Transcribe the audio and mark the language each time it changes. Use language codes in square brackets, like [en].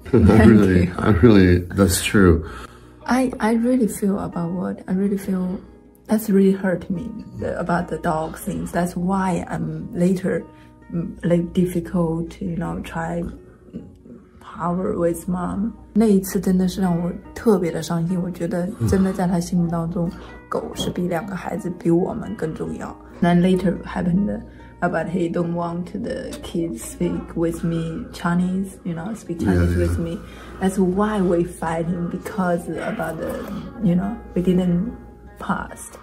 [en] I really, that's true. I really feel about what I really feel that's really hurt me about the dog things. That's why I'm later like difficult, you know, try power with mom. [zh] 那一次真的是让我特别的伤心，我觉得真的在他心目当中狗是比两个孩子比我们更重要。 [en] Then later happened about he don't want the kids speak with me Chinese, you know, speak Chinese yeah, yeah. with me. That's why we fighting because about the, you know, we didn't pass.